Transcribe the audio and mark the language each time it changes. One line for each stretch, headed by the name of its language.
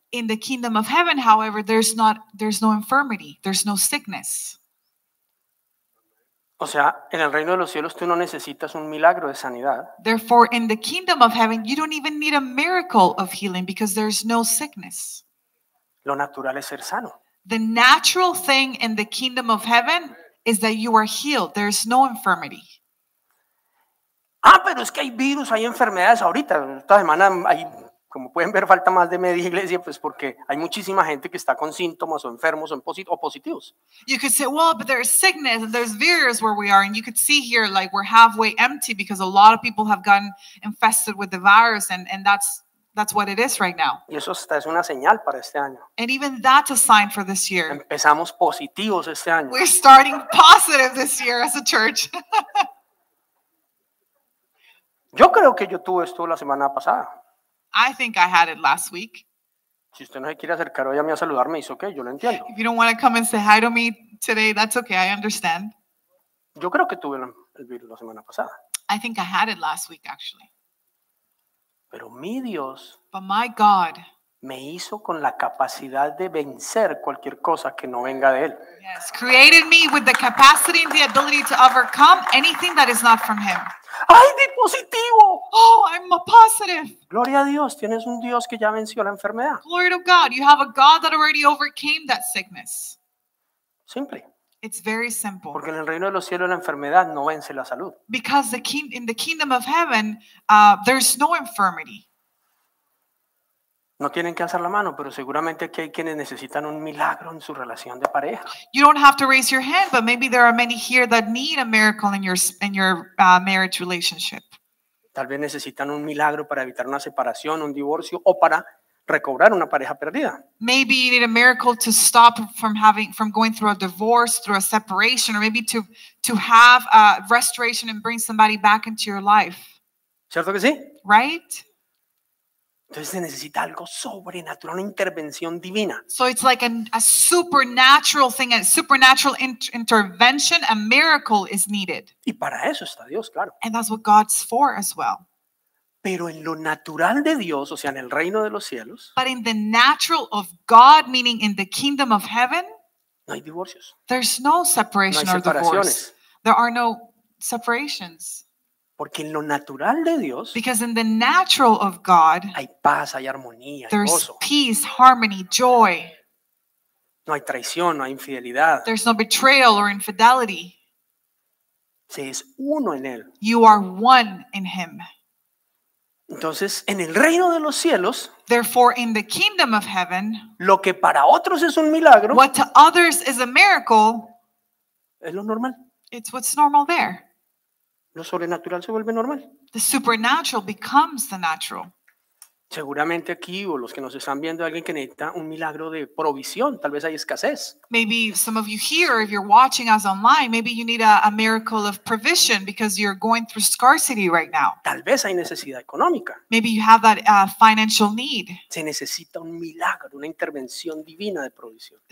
English: In the kingdom of heaven, however, there's no infirmity, there's no sickness.
Spanish: O sea, en el reino de los cielos tú no necesitas un milagro de sanidad.
English: Therefore, in the kingdom of heaven, you don't even need a miracle of healing because there's no sickness.
Spanish: Lo natural es ser sano.
English: The natural thing in the kingdom of heaven is that you are healed. There's no infirmity.
Spanish: Ah, pero es que hay virus, hay enfermedades ahorita. Esta semana hay, como pueden ver, falta más de media iglesia, pues porque hay muchísima gente que está con síntomas o enfermos o positivos.
English: You could say, well, but there's sickness and there's virus where we are. And you could see here, like, we're halfway empty because a lot of people have gotten infested with the virus and that's what it is right now.
Spanish: Y eso hasta es una señal para este año.
English: And even that's a sign for this year.
Spanish: Empezamos positivos este año.
English: We're starting positive this year as a church.
Spanish: Yo creo que yo tuve esto la semana pasada.
English: I think I had it last week.
Spanish: Si usted no se quiere acercar hoy a mí a saludarme, es okay, yo lo entiendo.
English: If you don't want to come and say hi to me today, that's okay, I understand.
Spanish: Yo creo que tuve el virus la semana pasada.
English: I think I had it last week, actually.
Spanish: Pero mi Dios,
English: but my God,
Spanish: me hizo con la capacidad de vencer cualquier cosa que no venga de él.
English: Yes, created me with the capacity and the ability to overcome anything that is not from him.
Spanish: ¡Ay, di positivo!
English: Oh, I'm a positive.
Spanish: Gloria a Dios, tienes un Dios que ya venció la enfermedad.
English: Glory to God, you have a God that already overcame that sickness.
Spanish: Simple.
English: It's very simple.
Spanish: Porque en el reino de los cielos la enfermedad no vence la salud.
English: Because in the kingdom of heaven, there's no infirmity.
Spanish: No tienen que alzar la mano, pero seguramente aquí hay quienes necesitan un milagro en su relación de pareja.
English: You don't have to raise your hand, but maybe there are many here that need a miracle in your marriage relationship.
Spanish: Tal vez necesitan un milagro para evitar una separación, un divorcio o para recobrar una pareja perdida.
English: Maybe you need a miracle to stop from going through a divorce, through a separation, or maybe to have a restoration and bring somebody back into your life.
Spanish: ¿Cierto que sí?
English: Right?
Spanish: Entonces se necesita algo sobrenatural, una intervención divina.
English: So it's like a supernatural intervention, a miracle is needed.
Spanish: Y para eso está Dios, claro.
English: And that's what God's for as well.
Spanish: Pero en lo natural de Dios, o sea, en el reino de los cielos.
English: But in the natural of God, meaning in the kingdom of heaven.
Spanish: No hay divorcios.
English: There's no separation or divorce.
Spanish: No hay separaciones.
English: There are no separations.
Spanish: Porque en lo natural de Dios.
English: Because in the natural of God.
Spanish: Hay paz, hay armonía,
English: there's
Spanish: hay gozo.
English: Peace, harmony, joy.
Spanish: No hay traición, no hay infidelidad.
English: There's no betrayal or infidelity.
Spanish: Se es uno en él.
English: You are one in him.
Spanish: Entonces, en el reino de los cielos,
English: therefore, in the kingdom of heaven,
Spanish: lo que para otros es un milagro,
English: what to others is a miracle,
Spanish: es lo normal.
English: It's what's normal there.
Spanish: Lo sobrenatural se vuelve normal.
English: The supernatural becomes the natural.
Spanish: Seguramente aquí, o los que nos están viendo, alguien que necesita un milagro de provisión, tal vez hay escasez.
English: Maybe some of you here, if you're watching us online, maybe you need a miracle of provision because you're going through scarcity right now.
Spanish: Tal vez hay necesidad económica.
English: Maybe you have that financial need.
Spanish: Se necesita un milagro, una intervención divina de provisión.